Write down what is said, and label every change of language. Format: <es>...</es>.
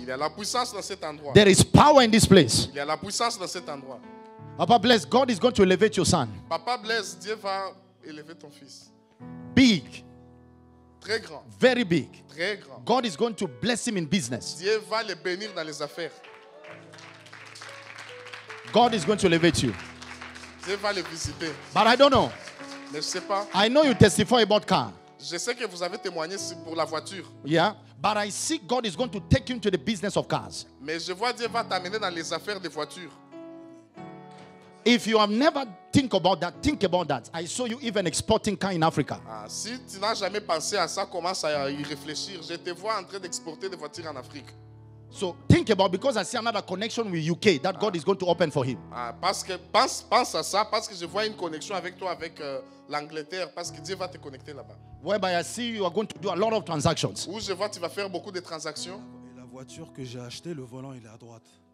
<fr>Il y a la puissance dans cet endroit.</fr> <en>There is power in this place.</en> <fr>Il y a la puissance dans cet endroit.</fr> <en>Papa bless, God is going to elevate your son.</en> <fr>Papa bless, Dieu va élever ton fils.</fr> <en>Big.</en> <fr>Très grand.</fr> <en>Very big.</en> <fr>Très grand.</fr> <en>God is going to bless him in business.</en> <fr>Dieu va le bénir dans les affaires.</fr> <en>God is going to elevate you.</en> <fr>Dieu va le visiter.</fr> <en>But I don't know.</en> <fr>Mais je sais pas.</fr> <en>I know you testify about car.</en> <fr>Je sais que vous avez témoigné pour la voiture.</fr> <en>Yeah. But I see God is going to take you to the business of cars.</en> <fr>Mais je vois Dieu va t'amener dans les affaires des voitures.</fr> <en>If you have never think about that, think about that. I saw you even exporting car in Africa.</en> <fr>Ah, si tu n'as jamais pensé à ça, commence à y réfléchir. Je te vois en train d'exporter des voitures en Afrique.</fr> <en>So think about, because I see another connection with UK that God is going to open for him.</en> <fr>Ah, parce que pense à ça, parce que je vois une connexion avec toi avec l'Angleterre, parce que Dieu va te connecter là-bas.</fr> <en>Whereby I see you are going to do a lot of transactions.</en> <fr>Où je vois tu vas faire beaucoup de transactions. Et la voiture que j'ai achetée, le volant il est à droite.</fr>